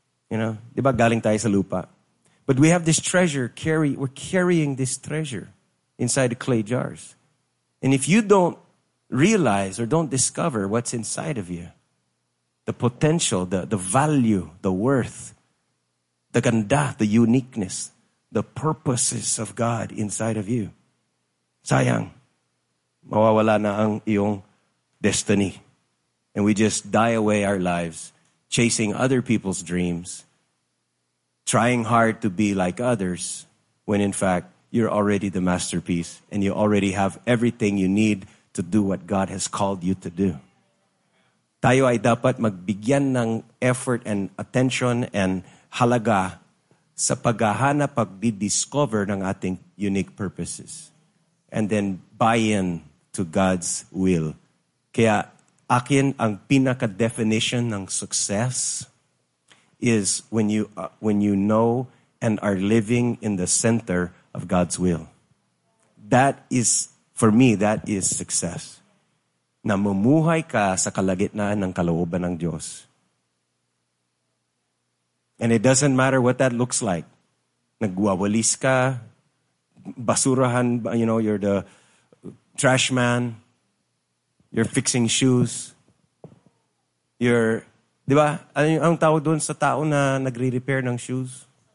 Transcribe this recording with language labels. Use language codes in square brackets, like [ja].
[en] You know, [tl] di ba galing tayo sa lupa? [en] But we have this treasure, we're carrying this treasure inside the clay jars. And if you don't realize or don't discover what's inside of you, the potential, the value, the worth, the ganda, the uniqueness, the purposes of God inside of you. [tl] Sayang, mawawala na ang iyong destiny. [en] And we just die away our lives chasing other people's dreams, trying hard to be like others, when in fact, you're already the masterpiece and you already have everything you need to do what God has called you to do. [tl] Tayo ay dapat magbigyan ng [en] effort and attention and [tl] halaga sa paghahanap, pagdi-discover ng ating unique purposes. [en] And then buy in to God's will. [tl] Kaya akin ang pinaka-definition ng [en] success is when you know and are living in the center of God's will. That is, for me, that is success. [tl] Na mumuhay ka sa kalagitnaan ng kalooban ng Diyos. [en] And it doesn't matter what that looks like. [tl] Nagwawalis ka, basurahan, [en] you know, you're the trash man, you're fixing shoes, you're, [tl] di ba, anong tawag doon sa tao na nagre-repair ng shoes?